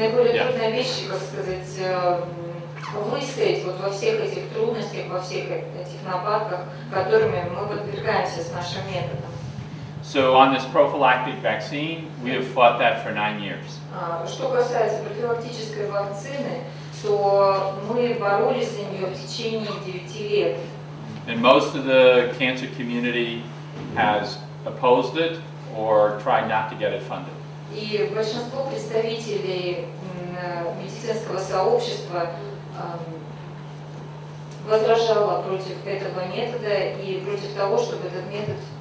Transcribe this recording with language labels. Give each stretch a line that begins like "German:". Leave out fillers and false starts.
Russian: Наиболее трудная вещь, как сказать, выстоять вот во всех этих трудностях, во всех этих нападках, которыми мы подвергаемся с нашим методом.
English: So on this prophylactic vaccine, we have fought that for 9 years.
Russian: Что касается профилактической вакцины, то мы боролись за нее в течение 9 лет.
English: And most of the cancer community has opposed it or tried not to get it funded.
Russian: И большинство представителей медицинского сообщества возражало против этого метода и против того, чтобы этот метод.